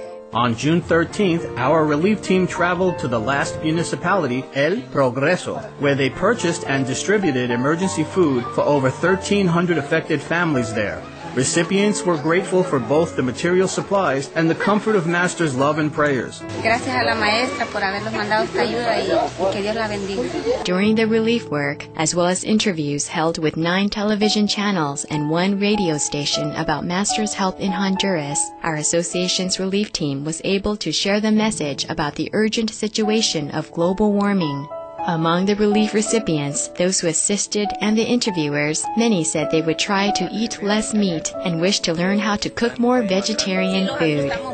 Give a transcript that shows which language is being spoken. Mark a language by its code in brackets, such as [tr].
[en] On June 13th, our relief team traveled to the last municipality, El Progreso, where they purchased and distributed emergency food for over 1,300 affected families there. Recipients were grateful for both the material supplies and the comfort of Master's love and prayers. [es] Gracias a la maestra por haberlos mandado esta ayuda y que Dios la bendiga. [en] During the relief work, as well as interviews held with 9 television channels and 1 radio station about Master's help in Honduras, our association's relief team was able to share the message about the urgent situation of global warming. Among the relief recipients, those who assisted, and the interviewers, many said they would try to eat less meat and wish to learn how to cook more vegetarian food.